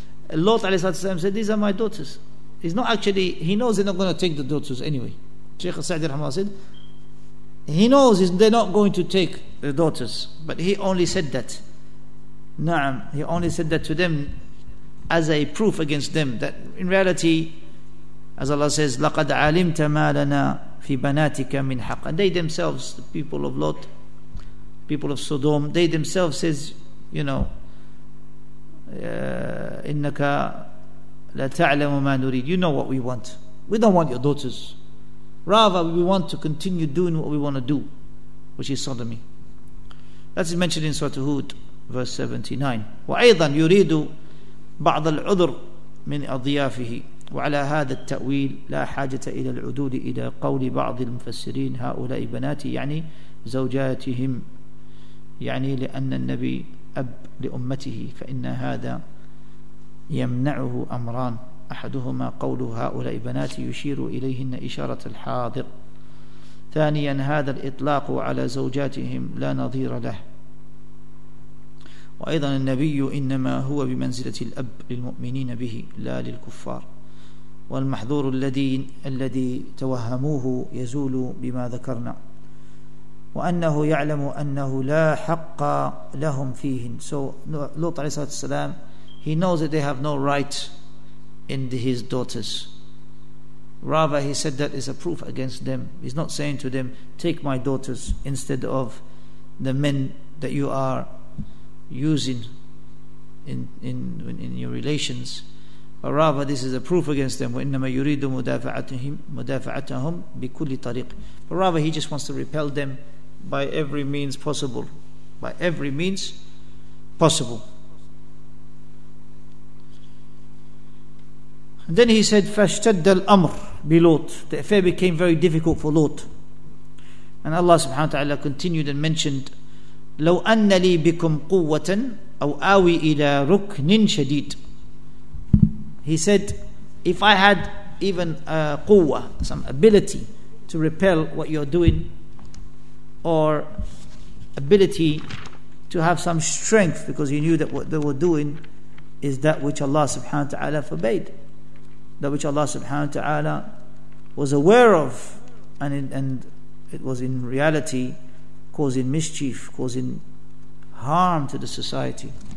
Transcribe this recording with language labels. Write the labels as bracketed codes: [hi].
[en] Lot alayhi salatu wasalam said, these are my daughters. He's not actually, he knows they're not going to take the daughters anyway. Shaykh Sa'di rahimahullah said, he knows they're not going to take the daughters, but he only said that. Na'am, he only said that to them as a proof against them. That in reality, as Allah says, [ar] لَقَدْ عَلِمْتَ مَا لَنَا فِي بَنَاتِكَ مِنْ حَقٍ. [en] And they themselves, the people of Lot, people of Sodom, they themselves says, you know, [ar] إِنَّكَ لَتَعْلَمُ مَا نُرِيدُ. [en] You know what we want. We don't want your daughters. Rather, we want to continue doing what we want to do, which is sodomy. That is mentioned in Surah Hud, verse 79. [ar] وَأَيْضًا يُرِيدُ بَعْضَ الْعُذْرِ مِنْ أَضْيَافِهِ وَعَلَى هَذَا التَّأْوِيلِ لَا حَاجَةَ إِلَى الْعُدُودِ إِلَى قَوْلِ بَعْضِ الْمُفَسِّرِينَ هَؤُلَاءِ بَنَاتِي يعني زوجاتهم يعني لأن النبي أب لأمته فإن هذا يمنعه أمران أحدهما قول هؤلاء بناتي يشير إليهن إشارة الحاضر ثانيا هذا الإطلاق على زوجاتهم لا نظير له وأيضا النبي إنما هو بمنزلة الأب للمؤمنين به لا للكفار والمحظور الذي توهموه يزول بما ذكرنا وأنه يعلم أنه لا حق لهم فيه. [en] So Lut [ar] عليه الصلاة والسلام, [en] he knows that they have no right in his daughters. Rather, he said that is a proof against them. He's not saying to them, take my daughters instead of the men that you are using in your relations. But rather, this is a proof against them. [ar] وَإِنَّمَا يُرِيدُ مُدَافَعَتَهُمْ بِكُلِّ طَرِيقٍ. [en] But rather, he just wants to repel them by every means possible. By every means possible. And then he said, [ar] فَاشْتَدَّ الْأَمْرِ بِلُوطٍ. [en] The affair became very difficult for Lot. And Allah subhanahu wa ta'ala continued and mentioned, [ar] لَوْ أَنَّ لِي بِكُمْ قُوَّةً أَوْ آوِي إِلَى رُكْنٍ شَدِيدٍ. [en] He said, if I had even a quwwa, some ability to repel what you're doing, or ability to have some strength, because he knew that what they were doing is that which Allah subhanahu wa ta'ala forbade, that which Allah subhanahu wa ta'ala was aware of, and it was in reality causing mischief, causing harm to the society.